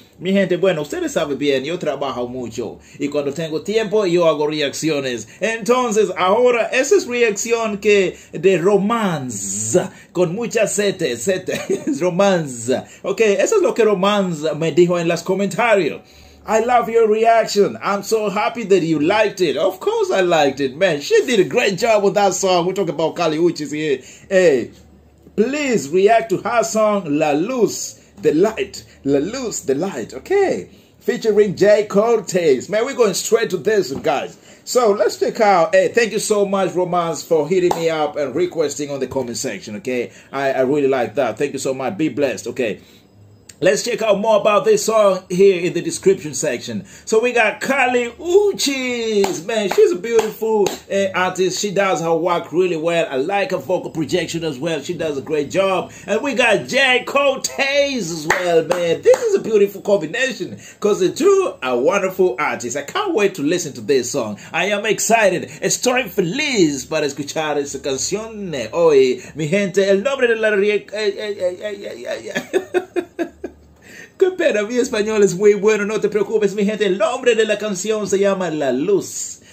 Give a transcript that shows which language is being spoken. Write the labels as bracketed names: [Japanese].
[Spanish] Mi gente, bueno, ustedes saben bien, yo trabajo mucho y cuando tengo tiempo yo hago reacciones. Entonces, ahora, esa es reacción que de romance, con muchas sete, sete, romance. Ok, eso es lo que romance me dijo en los comentarios. [English] I love your reaction. I'm so happy that you liked it. Of course I liked it, man. She did a great job with that song. We're talking about Kali Uchis here. Hey, please react to her song, La Luz. The light, La Luz, the light, okay. Featuring Jay Cortez. Man, we're going straight to this, guys. So let's check out. Hey, thank you so much, Romance, for hitting me up and requesting on the comment section, okay? I really like that. Thank you so much. Be blessed, okay? Let's check out more about this song here in the description section. So we got Kali Uchis. Man, she's a beautiful artist. She does her work really well. I like her vocal projection as well. She does a great job. And we got Jay Cortez as well, man. This is a beautiful combination because the two are wonderful artists. I can't wait to listen to this song. I am excited. Estoy feliz para escuchar esa canción. [Spanish] Oye, mi gente, el nombre de la Qué pena, mi español es muy bueno, no te preocupes, mi gente. El nombre de la canción se llama La Luz.